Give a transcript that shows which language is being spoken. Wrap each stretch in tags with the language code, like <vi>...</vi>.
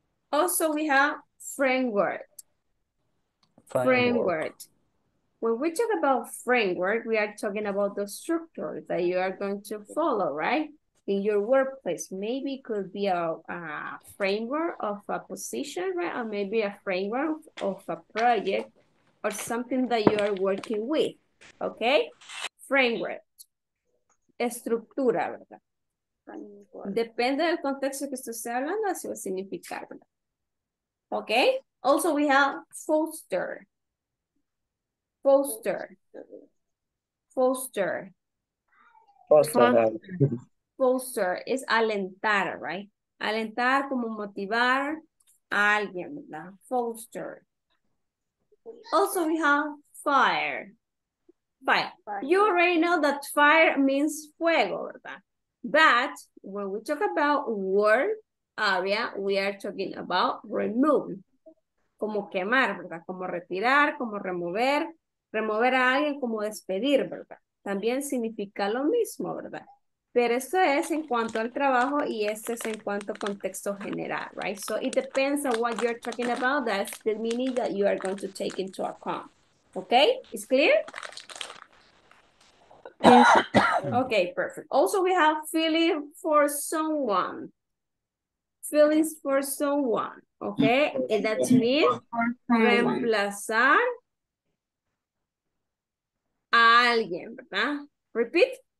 <en>Also, we have framework. When we talk about framework, we are talking about the structure that you are going to follow, right? in your workplace. Maybe it could be a framework of a position, right? Or maybe a framework of a project or something that you are working with, okay?</en> <es>Framework. Estructura, ¿verdad? Depende del contexto que usted esté hablando, así va a significar, ¿verdad?</es> <en>Okay? Also, we have foster. Foster. Foster. Foster.</en> <es>Foster es alentar, right? Alentar como motivar a alguien, ¿verdad? Foster.</es> <en>Also, we have fire. Fire. You already know that fire means</en> <es>fuego, ¿verdad?</es> <en>But when we talk about work area, we are talking about remove.</en> <es>Como quemar, ¿verdad? Como retirar, como remover. Remover a alguien, como despedir, ¿verdad? También significa lo mismo, ¿verdad? Pero esto es en cuanto al trabajo y este es en cuanto a contexto general, right?</es> <en>So it depends on what you're talking about. That's the meaning that you are going to take into account. Okay? Is clear? Yes. Okay, perfect. Also, we have feeling for someone. Feelings for someone. Okay? And that means</en> <es>reemplazar a alguien, ¿verdad?</es> <en>Repeat.</en>